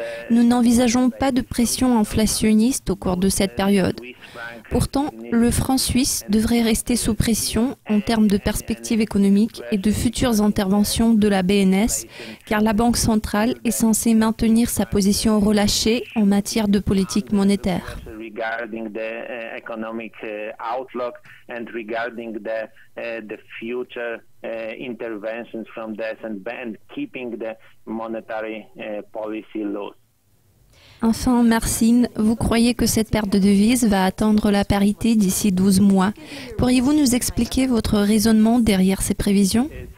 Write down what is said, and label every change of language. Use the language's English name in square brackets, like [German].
[French] Nous n'envisageons pas de pression inflationniste au cours de cette période. Pourtant, le franc suisse devrait rester sous pression en termes de perspectives économiques et de futures interventions de la BNS, car la Banque centrale est censée maintenir sa position relâchée en matière de politique monétaire. [English] Regarding the economic outlook and regarding the future interventions from the SNB and keeping the monetary policy loose. [French] Enfin, Marcine, vous croyez que cette perte de devises va atteindre la parité d'ici 12 mois. Pourriez-vous nous expliquer votre raisonnement derrière ces prévisions?